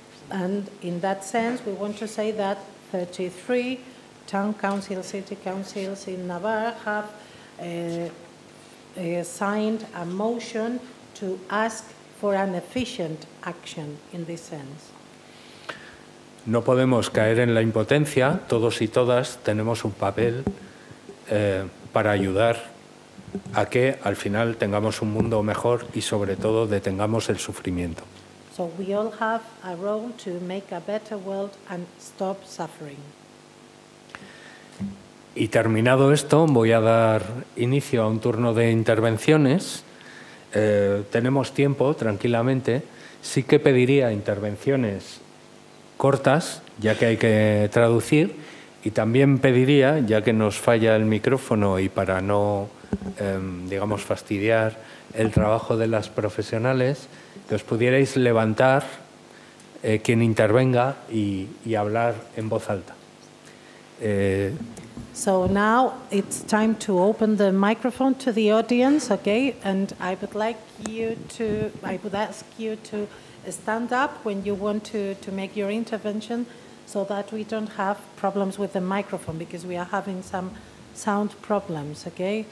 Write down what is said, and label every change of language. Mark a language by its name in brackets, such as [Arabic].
[English] And in that sense, we want to say that 33 town councils, city councils in Navarra have signed a motion to ask for an efficient action in this sense. [Spanish] No podemos caer en la impotencia, todos y todas tenemos un papel para ayudar a que al final tengamos un mundo mejor y sobre todo detengamos el sufrimiento. [English] So we all have a role to make a better world and stop suffering. [Spanish] Y terminado esto, voy a dar inicio a un turno de intervenciones. Tenemos tiempo, tranquilamente. Sí que pediría intervenciones cortas, ya que hay que traducir, y también pediría, ya que nos falla el micrófono y para no, digamos, fastidiar el trabajo de las profesionales, que os pudierais levantar quien intervenga y hablar en voz alta. [English] So now it's time to open the microphone to the audience, okay? And I would like you to, I would ask you to stand up when you want to make your intervention so that we don't have problems with the microphone because we are having some sound problems, okay?